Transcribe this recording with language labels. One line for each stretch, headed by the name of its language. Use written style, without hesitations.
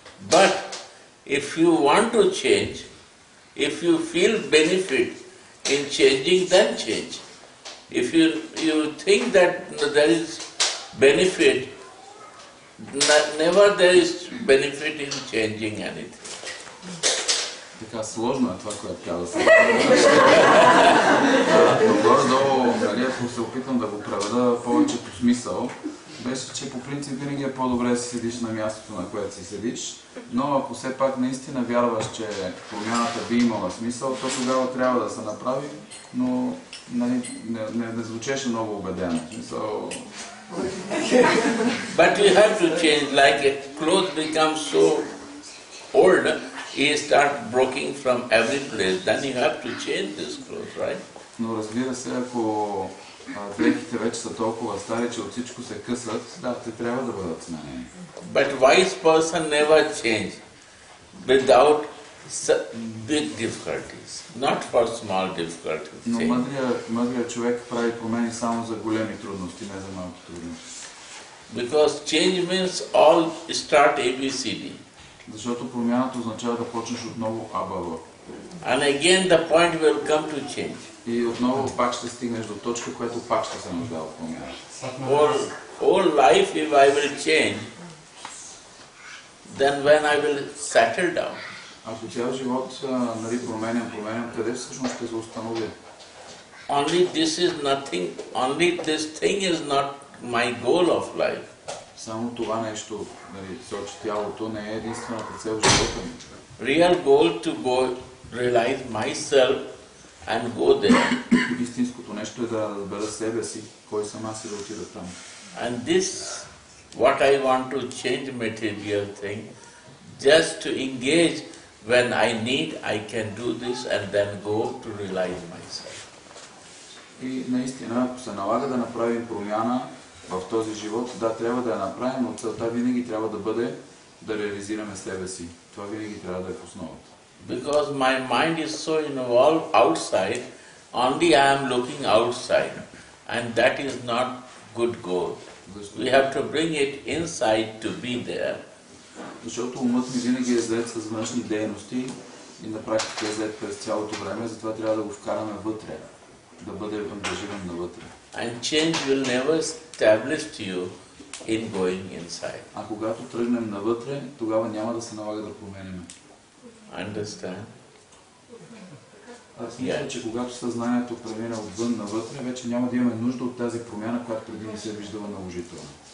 English: But if you want to change, if you feel benefit in changing, then change. If you think that there is benefit, never there is benefit in changing anything.
Bulgarian: Така сложно е това, което трябва да се прави. Горе-долу, нали, ако се опитам да го преведа повечето смисъл, беше, че по принцип винаги е по-добре да си седиш на мястото, на което си седиш, но ако все пак наистина вярваш, че промяната би имала смисъл, то тогава трябва да се направи, но нали, не звучеше много убедено.
English: But you have to change, like a cloth becomes so old, it starts breaking from every place, then you have to change this cloth, right?
Bulgarian: Но разбира се, ако дрехите вече са толкова стари, че от всичко се късат, да, те трябва да бъдат сменени.
English: But wise person never change without big difficulties, not for small difficulties.
Bulgarian: Но мъдрия човек прави промени само за големи трудности, не за малки трудности.
English: Because change means all start A, B, C, D.
Bulgarian: Защото промяната означава да почнеш отново А, Б, В.
English: And again the point will come to change.
Bulgarian: И отново пак ще стигнеш до точка, която пак ще се нуждава от промяна.
English: All life if I will change, then when I will settle down.
Bulgarian: Ако цял живот нали, променям, къде всъщност ще се установя?
English: Only this is nothing, only this thing is not my goal of life.
Bulgarian: Само това нещо, нали, сочи тялото, не е единствената цел в живота ми.
English: Real goal to go realize myself and go there.
Bulgarian: Истинското нещо е да разбера себе си, кой съм аз и да отида там.
English: And this, what I want to change material thing, just to engage when I need, I can do this and then go to realize myself.
Bulgarian: И наистина, ако се налага да направим промяна в този живот, да, трябва да я направим, но целта винаги трябва да бъде да реализираме себе си. Това винаги трябва да е в основата.
English: Because my mind is so involved outside, only I am looking outside. And that is not good goal. We have to bring it inside to be there.
Bulgarian: Защото умът ми винаги е зает с външни дейности и на практика е зает през цялото време, затова трябва да го вкараме вътре, да бъде ангажиран навътре.
English: And change will never establish you in going inside.
Bulgarian: А когато тръгнем навътре, тогава няма да се налага да променим.
English: Understand?
Bulgarian: Аз мисля, yeah, че когато съзнанието премина отвън навътре, вече няма да имаме нужда от тази промяна, която преди не се е виждала наложително.